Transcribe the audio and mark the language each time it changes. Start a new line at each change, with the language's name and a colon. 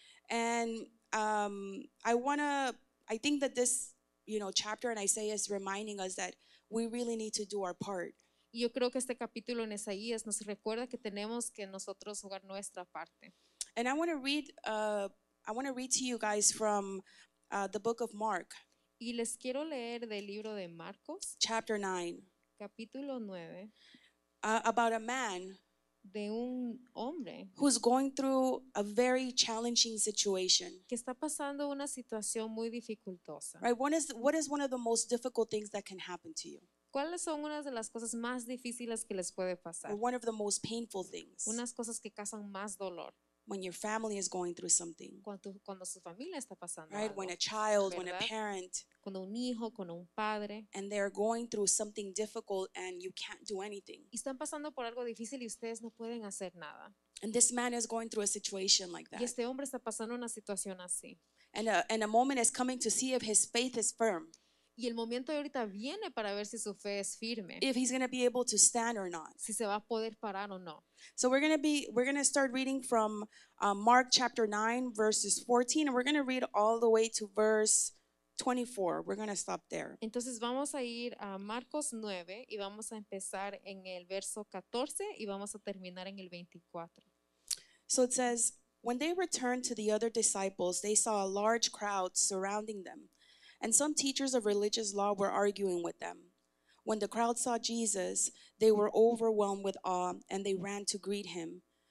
English: And I think that this, you know, chapter in Isaiah is reminding us that we really need to do our part.
Spanish: Yo creo que este capítulo en Isaías nos recuerda que tenemos que nosotros jugar nuestra parte.
English: And I want to read to you guys from the book of Mark.
Spanish: Y les quiero leer del libro de Marcos.
English: Chapter 9.
Spanish: Capítulo 9.
English: About a man.
Spanish: De un hombre.
English: Who's going through a very challenging situation.
Spanish: Que está pasando una situación muy dificultosa.
English: Right, what is one of the most difficult things that can happen to you?
Spanish: ¿Cuáles son una de las cosas más difíciles que les puede pasar?
English: One of the most painful things.
Spanish: Unas cosas que causan más dolor.
English: When your family is going through something.
Spanish: Cuando su familia está pasando
English: right?
Spanish: algo.
English: When a child, ¿verdad? When a parent.
Spanish: Cuando un hijo, cuando un padre.
English: And they're going through something difficult and you can't do anything.
Spanish: Y están pasando por algo difícil y ustedes no pueden hacer nada.
English: And this man is going through a situation like that.
Spanish: Y este hombre está pasando una situación así.
English: And a moment is coming to see if his faith is firm.
Spanish: Y el momento de ahorita viene para ver si su fe es firme.
English: If he's going to be able to stand or not.
Spanish: Si se va a poder parar o no.
English: So we're going to start reading from Mark chapter 9 verses 14 and we're going to read all the way to verse 24. We're going to stop there.
Spanish: Entonces vamos a ir a Marcos 9 y vamos a empezar en el verso 14 y vamos a terminar en el 24.
English: So it says, when they returned to the other disciples, they saw a large crowd surrounding them. And some teachers of religious law were arguing with them. When the crowd saw Jesus, they were overwhelmed with awe, and they ran to greet him.